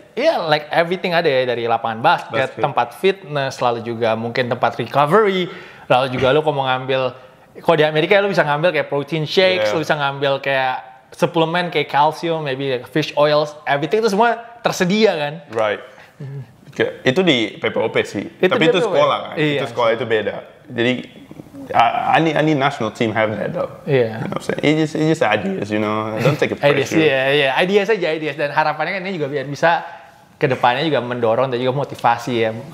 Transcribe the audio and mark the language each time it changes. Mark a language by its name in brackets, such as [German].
[English] Yeah, like everything [Indonesian] ada ya dari lapangan basket, tempat fitness, lalu juga mungkin tempat recovery, lalu juga lu kok mau ngambil, kok di Amerika lu bisa ngambil kayak protein shakes, lu bisa ngambil kayak suplemen kayak kalsium, [English] maybe like fish oils, everything [Indonesian] itu semua tersedia kan? [English] Right. [Indonesian] Itu di PPOP sih. Itu tapi itu sekolah kan? Iya, itu sekolah itu beda. Jadi [English] I need national team have that though. Yeah. You know what I'm saying? It's just ideas, you know. Don't take a pressure. Ideas, yeah. Ideas [Indonesian] aja, [English] ideas. [Indonesian] Dan harapannya kan ini juga biar bisa kedepannya juga mendorong dan juga motivasi ya.